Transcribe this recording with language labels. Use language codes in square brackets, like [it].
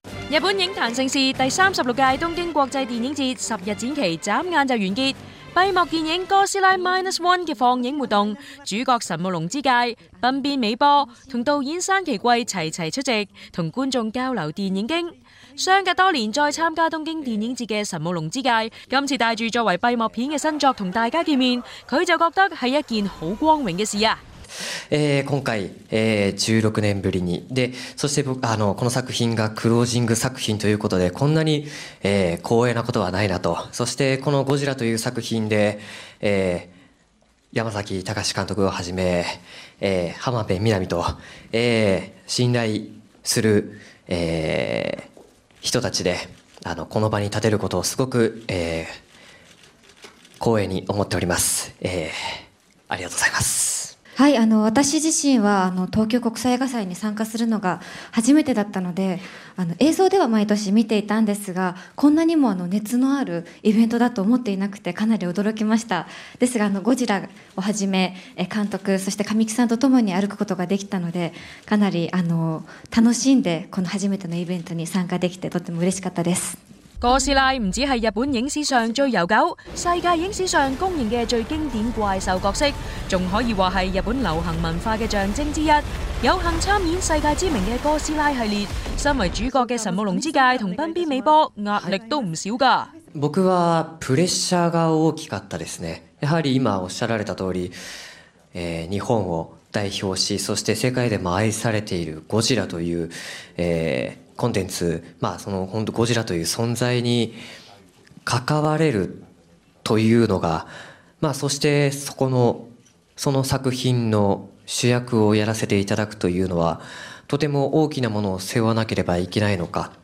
[zh] 日本影坛盛事第36届东京国际电影节十日展期眨眼就完结，闭幕电影《哥斯拉 Minus One》的放映活动，主角神木隆之介、滨边美波和导演山崎贵齐齐出席，和观众交流电影经。相隔多年再参加东京电影节的神木隆之介，今次带着作为闭幕片的新作和大家见面，他就觉得是一件很光荣的事啊。 [ja] 今回、16年ぶりにで、そして僕この作品がクロージング作品ということで、こんなに、光栄なことはないなと。そしてこのゴジラという作品で、山崎隆監督をはじめ、浜辺美波と、信頼する、人たちでこの場に立てることをすごく、光栄に思っております。ありがとうございます。はい、私自身は東京国際映画祭に参加するのが初めてだったので、映像では毎年見ていたんですが、こんなにも熱のあるイベントだと思っていなくてかなり驚きました。ですがゴジラをはじめ監督そして神木さんと共に歩くことができたので、かなり楽しんでこの初めてのイベントに参加できてとても嬉しかったです。 [zh] 哥斯拉不只是日本影史上最悠久，世界影史上公认的最经典怪兽角色，还可以说是日本流行文化的象征之一。有幸参演世界知名的哥斯拉系列，身为主角的神木隆之介和滨边美波压力都不少的。 [ja] 僕はプレッシャーが大きかったですね。やはり今おっしゃられた通り、日本を代表し、そして世界でも愛されているゴジラという、コンテンツ、まあその本当ゴジラという存在に関われるというのが、まあそしてそこのその作品の主役をやらせていただくというのは、とても大きなものを背負わなければいけないのか。